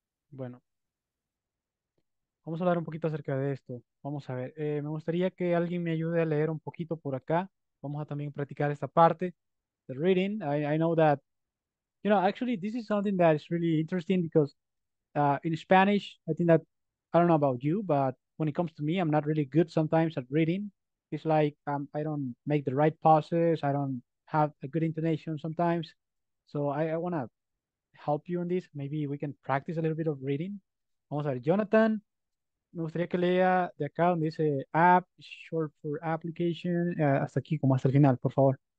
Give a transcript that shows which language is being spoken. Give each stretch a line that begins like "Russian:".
Spanish: Bueno, vamos a hablar un poquito acerca de esto. Vamos a ver. Me gustaría que alguien me ayude a leer un poquito por acá. Vamos a también practicar esta parte.
English: The reading. I know that, you know, actually this is something that is really interesting because In Spanish, I think that, I don't know about you, but when it comes to me, I'm not really good sometimes at reading. It's like I don't make the right pauses. I don't have a good intonation sometimes. So I want to help you on this. Maybe we can practice a little bit of reading.
Spanish: Vamos a ver, Jonathan. Me gustaría que lea de acá donde dice app, short for application, hasta aquí, como hasta el final, por favor.